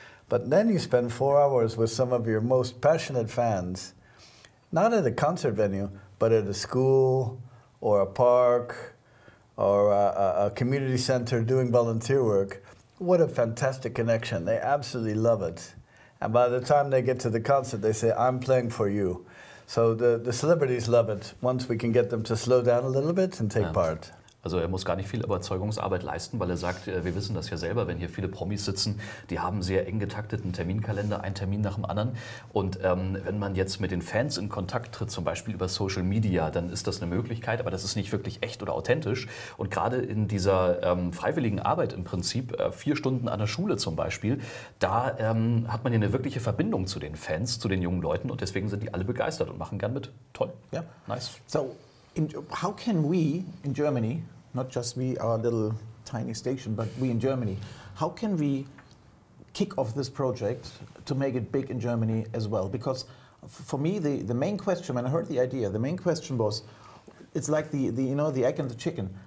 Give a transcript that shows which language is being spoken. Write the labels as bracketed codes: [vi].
[en] But then you spend 4 hours with some of your most passionate fans, not at a concert venue, but at a school or a park or a community center doing volunteer work. What a fantastic connection. They absolutely love it. And by the time they get to the concert, they say, I'm playing for you. So the celebrities love it, once we can get them to slow down a little bit and take part. [de] Also er muss gar nicht viel Überzeugungsarbeit leisten, weil er sagt, wir wissen das ja selber, wenn hier viele Promis sitzen, die haben sehr eng getakteten Terminkalender, einen Termin nach dem anderen. Und wenn man jetzt mit den Fans in Kontakt tritt, zum Beispiel über Social Media, dann ist das eine Möglichkeit, aber das ist nicht wirklich echt oder authentisch. Und gerade in dieser freiwilligen Arbeit im Prinzip, 4 Stunden an der Schule zum Beispiel, da hat man ja eine wirkliche Verbindung zu den Fans, zu den jungen Leuten, und deswegen sind die alle begeistert und machen gern mit. Toll. [en] Ja. Nice. So. How can we in Germany, not just we, our little tiny station, but we in Germany, how can we kick off this project to make it big in Germany as well? Because for me, the main question, when I heard the idea, the main question was, it's like the you know, the egg and the chicken.